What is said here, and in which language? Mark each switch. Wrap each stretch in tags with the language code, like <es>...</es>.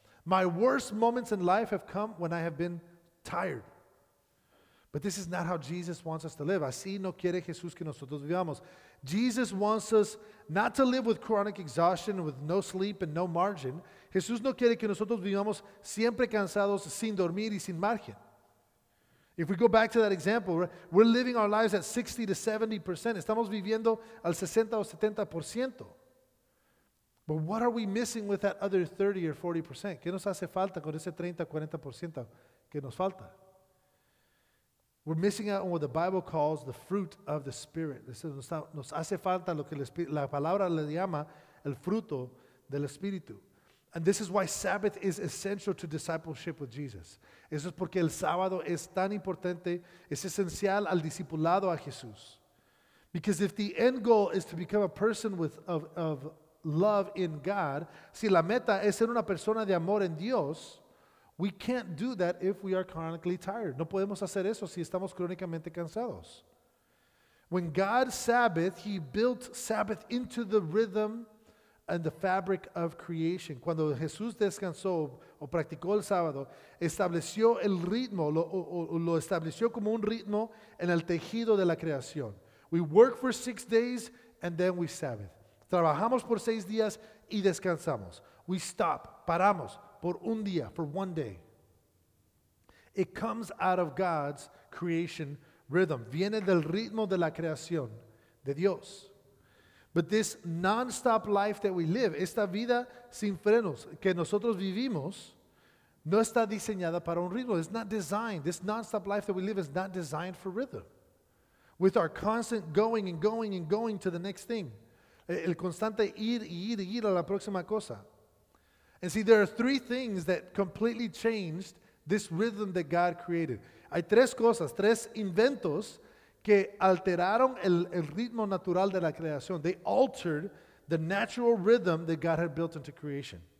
<en>My worst moments in life have come when I have been tired. But this is not how Jesus wants us to live.</en> <es>Así no quiere Jesús que nosotros vivamos.</es> <en>Jesus wants us not to live with chronic exhaustion, with no sleep and no margin.</en> <es>Jesús no quiere que nosotros vivamos siempre cansados, sin dormir y sin margen.</es> <en>If we go back to that example, we're living our lives at 60 to 70%.</en> <es>Estamos viviendo al 60 o 70%.</es> <en>But what are we missing with that other 30 or 40%?</en> <es>¿Qué nos hace falta con ese 30, 40% que nos falta?</es> <en>We're missing out on what the Bible calls the fruit of the Spirit.</en> <es>Nos hace falta lo que la palabra le llama el fruto del Espíritu.</es> <en>And this is why Sabbath is essential to discipleship with Jesus.</en> <es>Eso es porque el sábado es tan importante, es esencial al discipulado a Jesús.</es> <en>Because if the end goal is to become a person of love in God,</en> <es>si la meta es ser una persona de amor en Dios,</es> <en>we can't do that if we are chronically tired.</en> <es>No podemos hacer eso si estamos crónicamente cansados.</es> <en>When God Sabbath, He built Sabbath into the rhythm and the fabric of creation.</en> <es>Cuando Jesús descansó o practicó el sábado, estableció el ritmo, lo estableció como un ritmo en el tejido de la creación.</es> <en>We work for 6 days and then we Sabbath.</en> <es>Trabajamos por 6 días y descansamos.</es> <en>We stop,</en> <es>paramos por un día,</es> <en>for 1 day. It comes out of God's creation rhythm.</en> <es>Viene del ritmo de la creación de Dios.</es> <en>But this non-stop life that we live,</en> <es>esta vida sin frenos que nosotros vivimos, no está diseñada para un ritmo.</es> <en>It's not designed. This non-stop life that we live is not designed for rhythm. With our constant going and going and going to the next thing.</en> <es>El constante ir y ir y ir a la próxima cosa.</es> <en>And see, there are 3 things that completely changed this rhythm that God created.</en> <es>Hay 3 cosas, 3 inventos que alteraron el ritmo natural de la creación.</es> <en>They altered the natural rhythm that God had built into creation.</en>